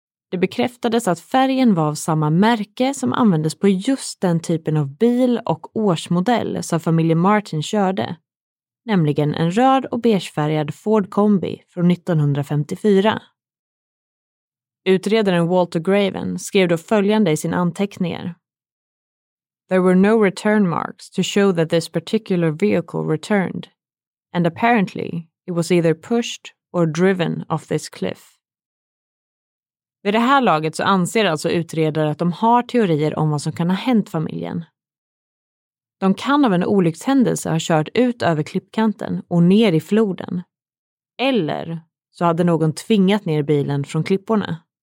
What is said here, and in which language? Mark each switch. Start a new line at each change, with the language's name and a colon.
Swedish: Det bekräftades att färgen var av samma märke som användes på just den typen av bil och årsmodell som familjen Martin körde. Nämligen en röd och beigefärgad Ford Kombi från 1954. Utredaren Walter Graven skrev då följande i sin anteckningar.
English: There were no return marks to show that this particular vehicle returned, and apparently it was either pushed or driven off this cliff.
Swedish: Vid det här laget så anser alltså utredare att de har teorier om vad som kan ha hänt familjen. De kan av en olyckshändelse ha kört ut över klippkanten och ner i floden. Eller så hade någon tvingat ner bilen från klipporna.